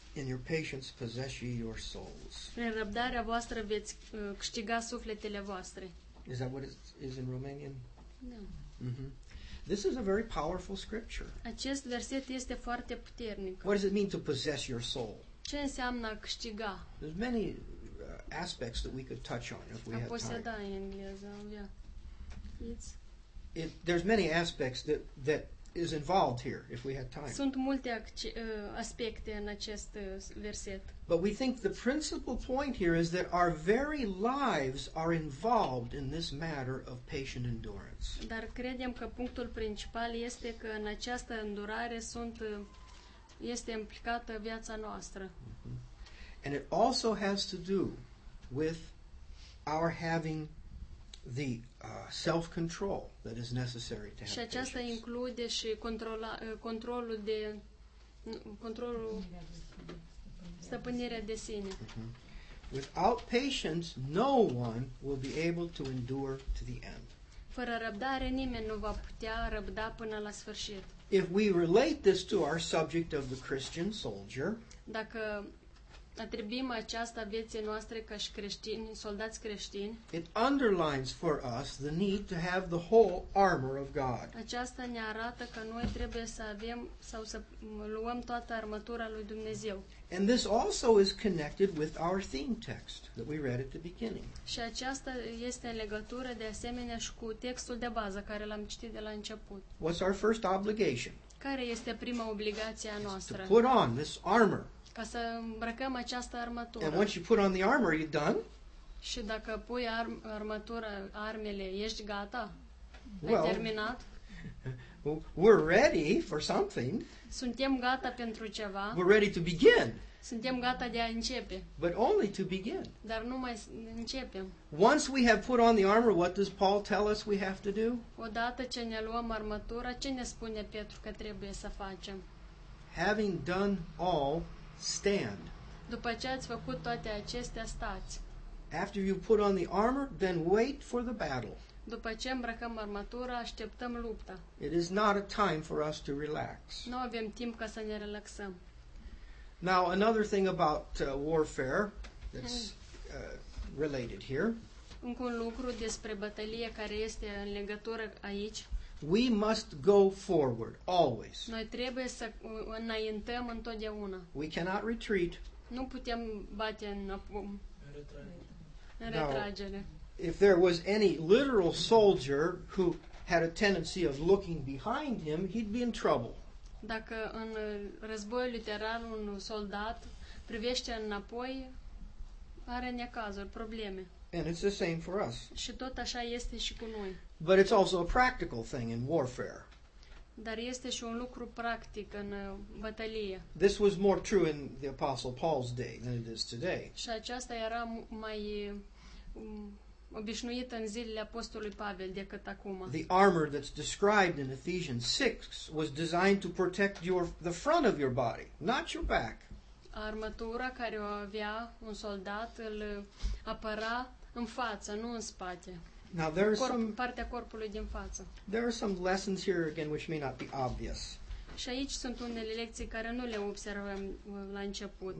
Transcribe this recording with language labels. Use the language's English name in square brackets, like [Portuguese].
[English] In your patience possess ye your souls. [Romanian] Prin răbdarea voastră veți câștiga sufletele voastre. [English] Is that what it is in Romanian? No. Mm-hmm. This is a very powerful scripture. [Romanian] Acest verset este foarte puternic. [English] What does it mean to possess your soul? [Romanian] Ce înseamnă câștiga? [English] There's many aspects that we could touch on if we had time. [Romanian] Posedă în engleză, [English] yeah. It's it, there's many aspects that that is involved here if we had time. [Romanian] Sunt multe aspecte în acest verset. [English] But we think the principal point here is that our very lives are involved in this matter of patient endurance. [Romanian] Dar credem că punctul principal este că în această îndurare sunt este implicată viața noastră. Mm-hmm. [English] And it also has to do with our having the self-control that is necessary to have. [Romanian] Și aceasta [English] patience. [Romanian] Include și controlul de controlul stăpânirea de sine. [English] Mm-hmm. Without patience, no one will be able to endure to the end. [Romanian] Fără răbdare nimeni nu va putea răbda până la sfârșit. [English] If we relate this to our subject of the Christian soldier, [Romanian] dacă atribuim această vieții noastre ca și creștini, soldați creștini, [English] it underlines for us the need to have the whole armor of God. [Romanian] Aceasta ne arată că noi trebuie să avem sau să luăm toată armătura lui Dumnezeu. [English] And this also is connected with our theme text that we read at the beginning. [Romanian] Și aceasta este în legătură de asemenea și cu textul de bază care l-am citit de la început. [English] What's our first obligation? [Romanian] Care este prima obligație a noastră? [English] To put on this armor. [Romanian] Ca să îmbrăcăm această armătură. [English] And once you put on the armor, you're done? [Romanian] Și dacă pui armătura, armele, ești gata? [English] Well, [Romanian] ai terminat? [English] We're ready for something. [Romanian] Suntem gata pentru ceva. [English] We're ready to begin. [Romanian] Suntem gata de a începe. [English] But only to begin. [Romanian] Dar numai începem. [English] Once we have put on the armor, what does Paul tell us we have to do? [Romanian] Odată ce ne luăm armătura, ce ne spune Petru că trebuie să facem? [English] Having done all, stand. [Romanian] După ce ați făcut toate acestea, stați. [English] After you put on the armor, then wait for the battle. [Romanian] După ce îmbrăcăm armătura, așteptăm lupta. [English] It is not a time for us to relax. [Romanian] Nu avem timp ca să ne relaxăm. [English] Now, another thing about warfare that's related here. [Romanian] Încă un lucru despre bătălie care este în legătură aici. [English] We must go forward, always. [Romanian] Noi trebuie să înaintăm întotdeauna. [English] We cannot retreat. [Romanian] Nu putem bate înapoi. Retragere. [English] If there was any literal soldier who had a tendency of looking behind him, he'd be in trouble. [Romanian] Dacă în război literal un soldat privește înapoi, are necazuri, probleme. [English] And it's the same for us. [Romanian] Și tot așa este și cu noi. [English] But it's also a practical thing in warfare. [Romanian] Dar este și un lucru practic în bătălie. [English] This was more true in the Apostle Paul's day than it is today. [Romanian] Și aceasta era mai obișnuită în zilele Apostolului Pavel decât acum. [English] The armor that's described in Ephesians 6 was designed to protect the front of your body, not your back. [Romanian] Armatura care o avea un soldat îl apăra în față, nu în spate. [English] Now there are some [Romanian] partea corpului din față. [English] There are some lessons here again which may not be obvious. [Romanian] Și aici sunt unele lecții care nu le observăm la început.